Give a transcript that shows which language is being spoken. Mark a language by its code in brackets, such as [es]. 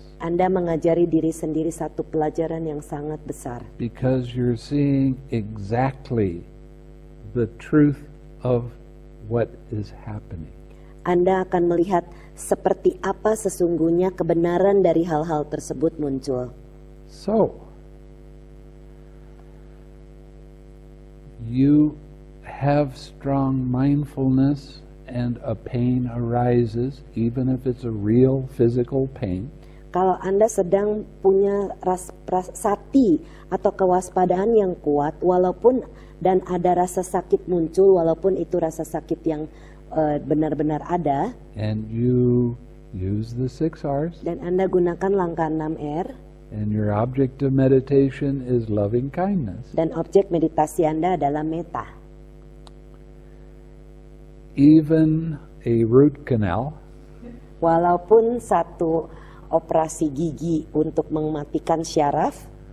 [id] Anda mengajari diri sendiri satu pelajaran yang sangat besar. [en] Because you're seeing exactly the truth of what is happening. [id] Anda akan melihat seperti apa sesungguhnya kebenaran dari hal-hal tersebut muncul. [en] So, you have strong mindfulness and a pain arises, even if it's a real physical pain. [id] Kalau Anda sedang punya sati atau kewaspadaan yang kuat, walaupun dan ada rasa sakit muncul, walaupun itu rasa sakit yang benar-benar ada. [en] And you use the six R's. [id] Dan Anda gunakan langkah 6 R. [en] And your object of meditation is loving kindness. [id] Dan objek meditasi Anda adalah metta. [en] Even a root canal, [id] walaupun satu operasi gigi untuk mematikan syaraf,